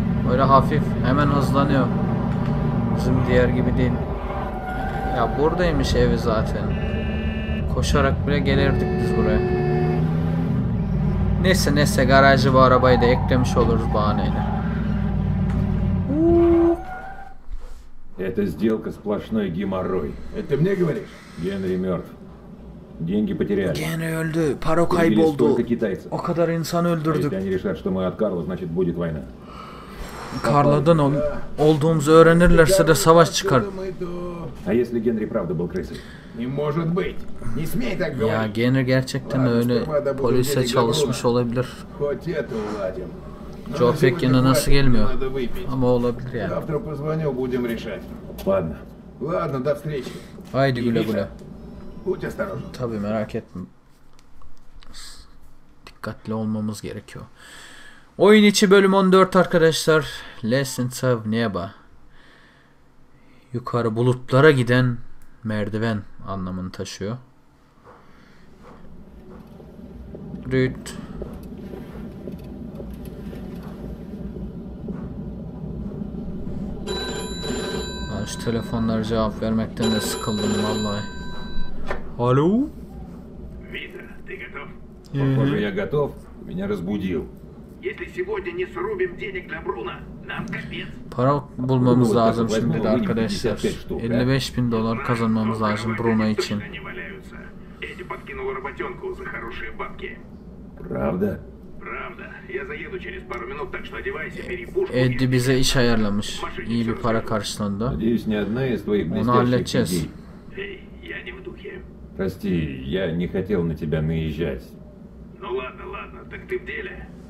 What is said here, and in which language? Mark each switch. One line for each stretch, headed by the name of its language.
Turkish: Böyle hafif, hemen hızlanıyor. Bizim diğer gibi değil. Ya buradaymış evi zaten. Koşarak bile gelirdik biz buraya. Neyse neyse, garajı bu arabayı da eklemiş oluruz bahaneyle.
Russian: Это сделка сплошной геморрой. Это мне говоришь? Генри мертв. Деньги потеряли.
Turkish: Генри öldü. Para kayboldu. O kadar insan öldürdük.
Russian: Если они решат, что мы от Карла, значит будет война.
Turkish: Karladan olduğumuzu öğrenirlerse de savaş çıkar.
Russian: А если Генри правда был крысой? Не может быть. Не смей так говорить.
Turkish: Ya Генри gerçekten öyle polise çalışmış olabilir.
Russian: Хоть это уладим.
Turkish: Joe pek yine nasıl gelmiyor? Ama olabilir yani.
Russian: Завтра позвоню, будем решать. Ладно. Ладно, до встречи.
Turkish: Haydi güle güle.
Russian: Будь осторожен.
Turkish: Tabii, merak etme. Dikkatli olmamız gerekiyor. Oyun içi bölüm 14 arkadaşlar. Lessons of Neba. Yukarı bulutlara giden merdiven anlamını taşıyor. Rüt. Ben şu telefonlara cevap vermekten de sıkıldım vallahi. Alo?
Russian: Vida, ты готов? Похоже, я готов. Меня разбудил. Если сегодня не срубим денег для Бруно, нам капец.
Turkish: Para bulmamız lazım şimdi de arkadaşlar. 55 bin dolar kazanmamız lazım Bruno için.
Russian: Эти подкинул работенку за хорошие бабки. Правда? Правда. Я заеду через пару минут, так что одевайся, бери пушку.
Turkish: Эдди bize iş ayarlamış. İyi bir para karşılığında.
Russian: Надеюсь, не одна из твоих блестящих идей. Я не в духе. Прости, я не хотел на тебя наезжать. Ну ладно, ладно, так ты в деле.